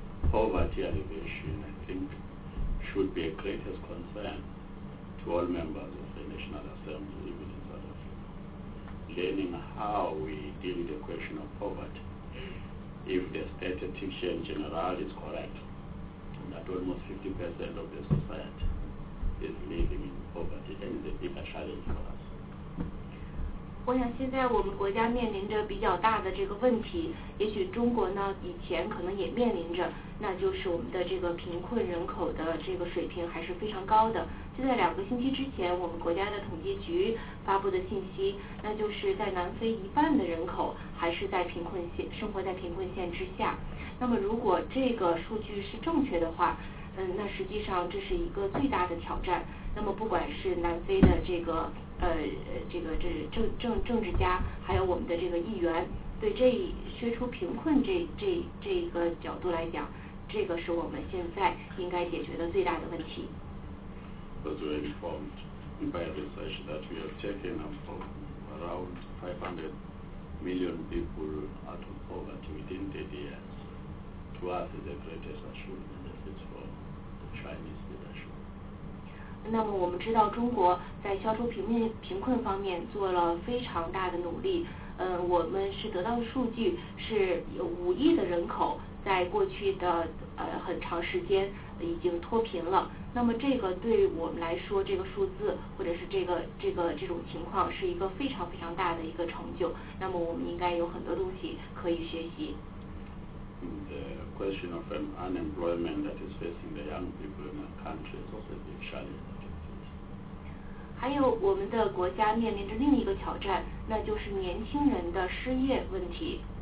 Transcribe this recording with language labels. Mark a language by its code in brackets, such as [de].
[en] Poverty elevation, I think, should be a greatest concern to all members of the National Assembly, even in South Africa. Learning how we deal with the question of poverty, if the statistician general is correct, that almost 50% of the society is living in poverty, and it's a bigger challenge for us. [zh] 我想现在我们国家面临着比较大的这个问题，也许中国呢以前可能也面临着，那就是我们的这个贫困人口的这个水平还是非常高的。就在两个星期之前，我们国家的统计局发布的信息，那就是在南非一半的人口还是在贫困线，生活在贫困线之下。那么如果这个数据是正确的话，那实际上这是一个最大的挑战。那么不管是南非的这个政治家还有我们的这个议员，对这一削除贫困这一个角度来讲，这个是我们现在应该解决的最大的问题。 [en] Was very informed by research that we have taken up around 500 million people out of poverty within 3 years. To us is the greatest assurance that is for the Chinese leadership. [zh] 那么我们知道中国在消除贫困方面做了非常大的努力，我们是得到的数据是有五亿的人口在过去的很长时间已经脱贫了。那么这个对我们来说，这个数字或者是这种情况是一个非常非常大的一个成就。那么我们应该有很多东西可以学习。 [en] The question of unemployment that is facing the young people in the country is also a big challenge. [zh] 还有我们的国家面临着另一个挑战，那就是年轻人的失业问题。